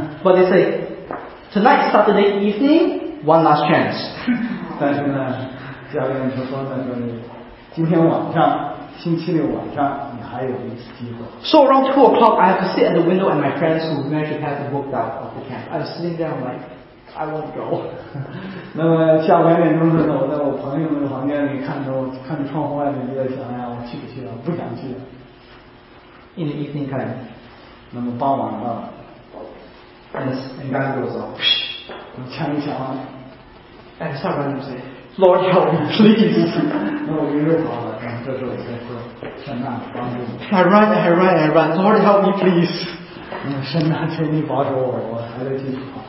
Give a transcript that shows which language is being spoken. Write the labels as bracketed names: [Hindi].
[English] But they say tonight Saturday evening one last chance. [Chinese] 但是呢，教练就说呢，就是今天晚上，星期六晚上，你还有一次机会。 [English] So around 2:00, I have to sit at the window and my friends who managed to have the book out of the camp. I was sitting there like I won't go. [Chinese] 那么下午2:00的时候，我在我朋友的房间里看着看着窗户外面，就在想呀，我去不去了？不想去了。 [English] In the evening time. [Chinese] 那么傍晚了。 [English] And God goes off. [Chinese] 我枪一响。 [English] And I start running to say, Lord help me, please. [Chinese] 那我一路跑了，然后这时候我在说，神啊，帮助 [English] 我。I run. Lord help me, please. [Chinese] 神啊，求你保守我，我还在继续跑。